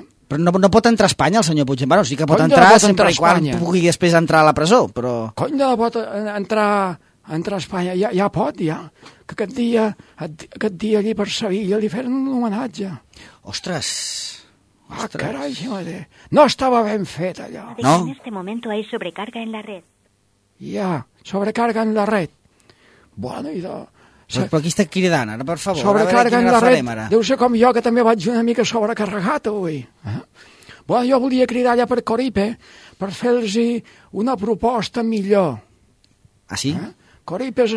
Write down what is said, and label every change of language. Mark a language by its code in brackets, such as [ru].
[ca] Però no pot entrar a Espanya, el senyor Puigdemont? Bueno, sí que pot entrar sempre i quan pugui després entrar a la presó, però... Cony, no pot entrar entrar a Espanya. Ja pot, ja. Que aquest dia allí per Sevilla li feren un homenatge. Ostres! Ah, carai, mare. No estava ben fet, allò. No? [es] En este momento hay sobrecarga en la red. [ca] Ja, [es] sobrecarga en la red. [ca] Bueno, idò. Però aquí està cridant, ara, per favor. [es] Sobrecarga en la red. [ca] Deu ser com jo, que també vaig una mica sobrecarregat avui. Bueno, jo volia cridar allà per Coripe per fer-los una proposta millor. Ah, sí? Coripe és